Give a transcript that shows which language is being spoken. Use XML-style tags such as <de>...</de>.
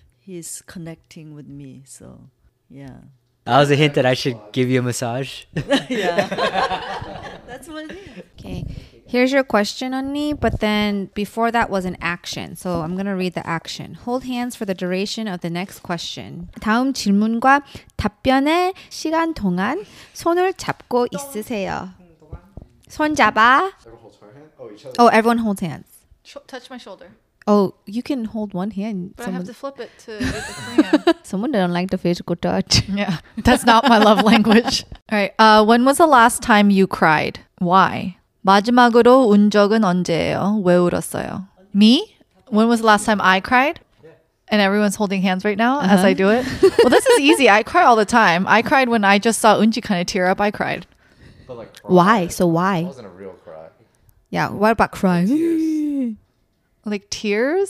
<en>He's connecting with me, so yeah. That was a hint that I should give you a massage. Yeah. That's what it is. Okay. Here's your question, Onni, but then before that was an action. So I'm going to read the action. Hold hands for the duration of the next question.</en> <ko>다음 질문과 답변의 시간 동안 손을 잡고 있으세요. 손 잡아.</ko> <en>Oh, everyone holds hands. Touch my shoulder. Oh, you can hold one hand. But someone, I have to flip it to get the thing. Someone don't like the physical touch. Yeah, that's not my love language. All right, when was the last time you cried? Why?</en> <ko>마지막으로 운 적은 언제예요? 왜 울었어요?</ko> <en>Me? When was the last time I cried? And everyone's holding hands right now as I do it. Well, this is easy. I cry all the time. I cried when I just saw Eunji kind of tear up. I cried. But like, cry. Why? So why? It wasn't a real cry. Yeah, what about crying? Like tears?</en>